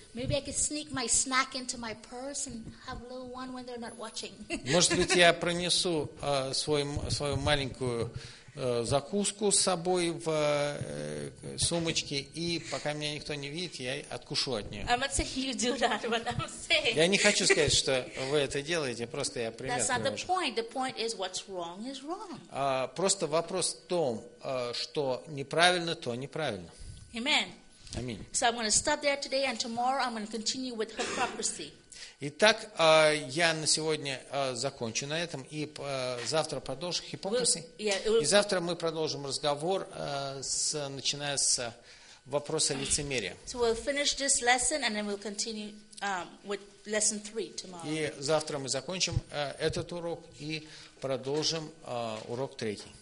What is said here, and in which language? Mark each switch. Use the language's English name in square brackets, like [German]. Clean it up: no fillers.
[English] Maybe I could sneak my snack into my purse and have a little one when they're not watching. [Russian] Может быть, я пронесу свою маленькую закуску с собой в сумочке, и пока меня никто не видит, я откушу от нее. [English] I'm not saying you do that, but I'm saying. [Russian] Я не хочу сказать, что вы это делаете, просто я пример. [English] That's not the point. The point is what's wrong is wrong. [Russian] Просто вопрос в том, что неправильно, то неправильно. [English] Amen. [Russian] Аминь. [English] So I'm going to stop there today, and tomorrow I'm going to continue with hypocrisy. [Russian] Итак, я на сегодня закончу на этом, и завтра продолжим hypocrisy. И завтра мы продолжим разговор, начиная с вопроса лицемерия. [English] So we'll finish this lesson, and then we'll continue with lesson 3 tomorrow. [Russian] И завтра мы закончим этот урок и продолжим урок третий.